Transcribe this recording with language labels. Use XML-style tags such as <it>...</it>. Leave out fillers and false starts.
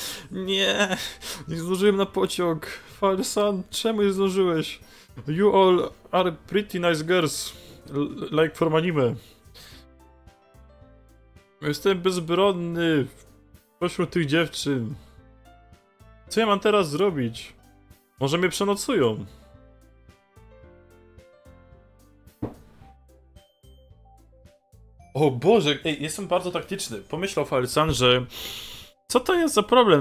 <pl>Nie, nie zdążyłem na pociąg. Falsan, czemu nie zdążyłeś?</pl> <en>You all are pretty nice girls, like from anime.</en> <pl>Jestem bezbronny pośród tych dziewczyn. Co ja mam teraz zrobić? Może mnie przenocują? O Boże, ej, jestem bardzo taktyczny. Pomyślał Falsan, że... Co to jest za problem?</pl>